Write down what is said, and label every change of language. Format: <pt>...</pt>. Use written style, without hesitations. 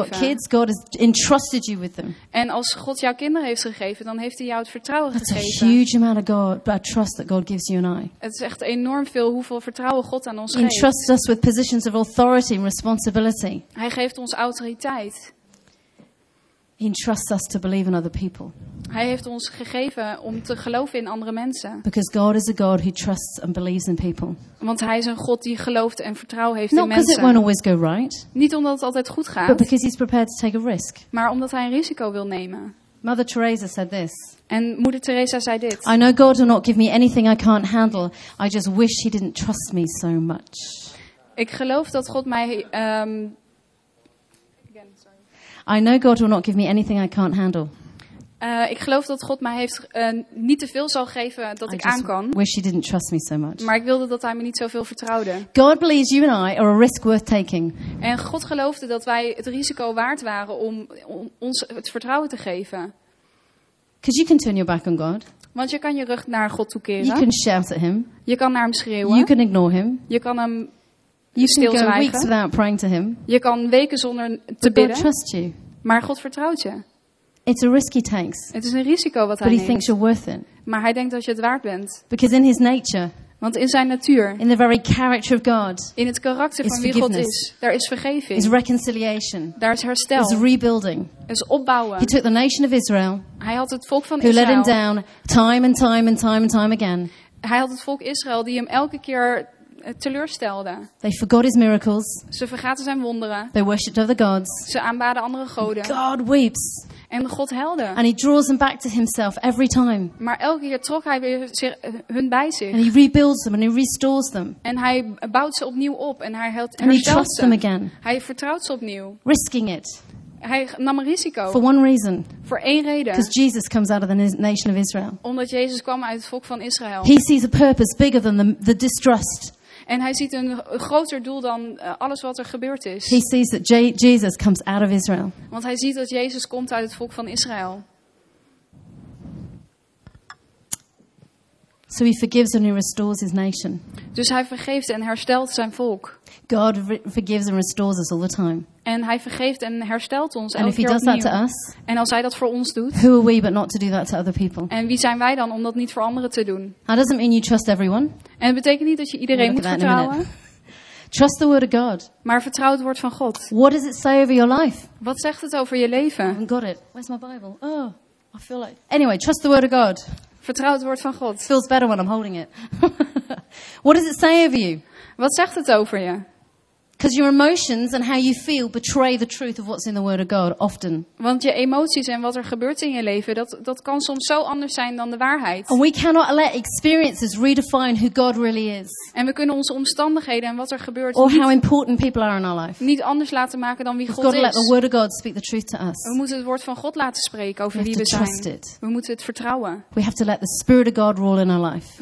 <en>You've got kids, God has entrusted you with them.</en> <nl>En als God jou kinderen heeft gegeven, dan heeft hij jou het vertrouwen</nl> <en>That's</en> <nl>gegeven.</nl> <en>A huge amount of God, but trust that God gives you and I.</en> <nl>Het is echt enorm veel hoeveel vertrouwen God aan ons</nl> <en>He</en> <nl>geeft.</nl> <en>He entrusts us with positions of authority and responsibility.</en> <nl>Hij geeft ons autoriteit.</nl> <en>He entrusts us to believe in other people.</en> <nl>Hij heeft ons gegeven om te geloven in andere mensen.</nl> <en>Because God is a God who trusts and believes in people.</en> <nl>Want hij is een God die gelooft en vertrouwen heeft</nl> <en>Not</en> <nl>in mensen.</nl> <en>Not because it won't always go right.</en> <nl>Niet omdat het altijd goed gaat.</nl> <en>But because he's prepared to take a risk.</en> <nl>Maar omdat hij een risico wil nemen.</nl> <en>Mother Teresa said this.</en> <nl>En Moeder Teresa zei dit.</nl> <en>I know God will not give me anything I can't handle. I just wish he didn't trust me so much.</en> <nl>Ik geloof dat God mij</nl> <en>I know God will not give me anything I can't handle.</en> <nl>Ik geloof dat God mij heeft niet te veel zal geven dat</nl> <en>I</en> <nl>ik aan kan.</nl> <en>Wish he didn't trust me so much.</en> <nl>Maar ik wilde dat hij me niet zoveel vertrouwde.</nl> <en>God believes you and I are a risk worth taking.</en> <nl>En God geloofde dat wij het risico waard waren om ons het vertrouwen te geven.</nl> <en>Because you can turn your back on God.</en> <nl>Want je kan je rug naar God toekeren.</nl> <en>You can shout at him.</en> <nl>Je kan naar hem schreeuwen.</nl> <en>You can ignore him.</en> <nl>Je kan hem stilzwijgen.</nl> <en>You can go weeks without praying to him.</en> <nl>Je kan weken zonder te</nl> <en>But</en> <nl>bidden.</nl> <en>God trusts you.</en> <nl>Maar God vertrouwt je.</nl> <en>It's a risky takes.</en> <nl>Het is een risico wat hij</nl> <en>But he</en> <nl>neemt.</nl> <en>Thinks you're worth it.</en> <nl>Maar hij denkt dat je het waard bent.</nl> <en>Because in his nature,</en> <nl>want in zijn natuur,</nl> <en>in the very character of God,</en> <nl>in het karakter van wie God is, daar is vergeving.</nl> <en>Is reconciliation.</en> <nl>Daar is herstel.</nl> <en>Is rebuilding.</en> <nl>Is opbouwen.</nl> <en>He took the nation of Israel.</en> <nl>Hij had het volk van</nl> <en>who</en> <nl>Israël.</nl> <en>Who let him down time and time and time and time again.</en> <nl>Hij had het volk Israël die hem elke keer teleurstelde.</nl> <en>They forgot his miracles.</en> <nl>Ze vergaten zijn wonderen.</nl> <en>They worshipped other gods.</en> <nl>Ze aanbaden andere goden.</nl> <en>God weeps.</en> <nl>En God huilde.</nl> <en>And he draws them back to himself every time.</en> <nl>Maar elke keer trok hij weer zich, hun bij zich.</nl> <en>And he rebuilds them and he restores them.</en> <nl>En hij bouwt ze opnieuw op en hij herstelt ze.</nl> <en>And he trusts them again.</en> <nl>Hij vertrouwt ze opnieuw.</nl> <en>Risking it.</en> <nl>Hij nam een risico.</nl> <en>For one reason.</en> <nl>Voor één reden.</nl> <en>Because Jesus comes out of the nation of Israel.</en> <nl>Omdat Jezus kwam uit het volk van Israël.</nl> <en>He sees a purpose bigger than the distrust.</en> <nl>En hij ziet een groter doel dan alles wat er gebeurd is.</nl> <en>He sees that Jesus comes out of Israel.</en> <nl>Want hij ziet dat Jezus komt uit het volk van Israël.</nl> <en>So he forgives and he restores his nation.</en> <nl>Dus hij vergeeft en herstelt zijn volk.</nl> <en>God forgives and restores us all the time.</en> <nl>En hij vergeeft en herstelt ons</nl> <en>and</en> <nl>elke keer opnieuw.</nl> <en>And if he does that to us,</en> <nl>en als hij dat voor ons doet,</nl> <en>who are we but not to do that to other people?</en> <nl>En wie zijn wij dan om dat niet voor anderen te doen?</nl> <en>That doesn't mean you trust everyone.</en> <nl>En het betekent niet dat je iedereen moet vertrouwen.</nl> <en>Trust the word of God.</en> <nl>Maar vertrouw het woord van God.</nl> <en>What does it say over your life?</en> <nl>Wat zegt het over je leven?</nl> <en>I haven't got it. Where's my Bible? Oh, I feel like. Anyway, trust the word of God.</en> <nl>Vertrouw het woord van God.</nl> <en>It feels better when I'm holding it. What does it say over you?</en> <nl>Wat zegt het over je?</nl> <en>Because your emotions and how you feel betray the truth of what's in the word of God often.</en> <nl>Want je emoties en wat er gebeurt in je leven, dat kan soms zo anders zijn dan de waarheid.</nl> <en>And we cannot let experiences redefine who God really is.</en> <nl>En we kunnen onze omstandigheden en wat er gebeurt</nl> <en>or</en> <nl>niet,</nl> <en>how important people are in our life.</en> <nl>Niet anders laten maken dan wie</nl> <en>We've</en> <nl>God is.</nl> <en>We've got to let the word of God speak the truth to us.</en> <nl>We moeten het woord van God laten spreken over</nl> <en>we</en> <nl>wie</nl> <en>have</en> <nl>we zijn.</nl> <en>Trust it.</en> <nl>We moeten het vertrouwen.</nl> <en>We have to let the spirit of God rule in our life.</en>